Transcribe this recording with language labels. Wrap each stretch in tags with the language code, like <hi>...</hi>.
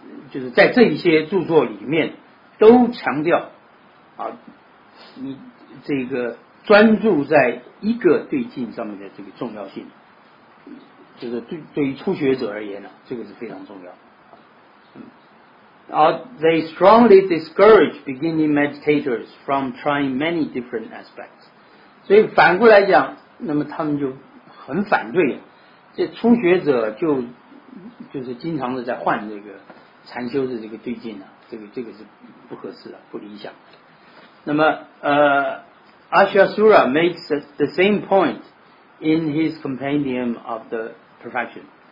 <zh>就是在这一些著作里面都强调啊，你这个专注在一个对境上面的这个重要性，就是对于初学者而言呢、啊，这个是非常重要。</zh> <en>They strongly discourage beginning meditators from trying many different aspects.</en> <zh>所以反过来讲，那么他们就很反对，这初学者就是经常的在换这个禅修的这个对境啊，这个是不合适的，不理想。那么</zh> <en>Ashasura makes the same point in his Compendium of the Perfection.</en>